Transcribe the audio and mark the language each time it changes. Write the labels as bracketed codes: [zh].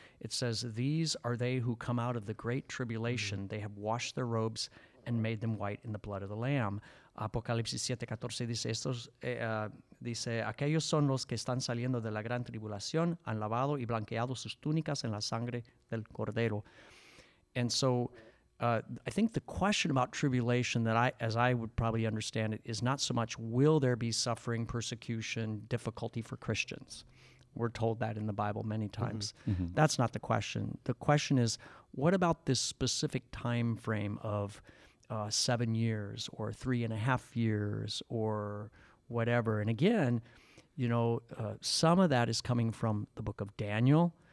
[en] It says, "These are they who come out of the great tribulation. Mm-hmm. They have washed their robes and made them white in the blood of the Lamb." [es] Apocalipsis 7:14 dice, dice, aquellos son los que están saliendo de la gran tribulación, han lavado y blanqueado sus túnicas en la sangre del Cordero. [en] And so I think the question about tribulation that I would probably understand it, is not so much, will there be suffering, persecution, difficulty for Christians? We're told that in the Bible many times. Mm-hmm. Mm-hmm. That's not the question. The question is, what about this specific time frame of 7 years or 3.5 years or whatever? And again, you know, some of that is coming from the book of Daniel,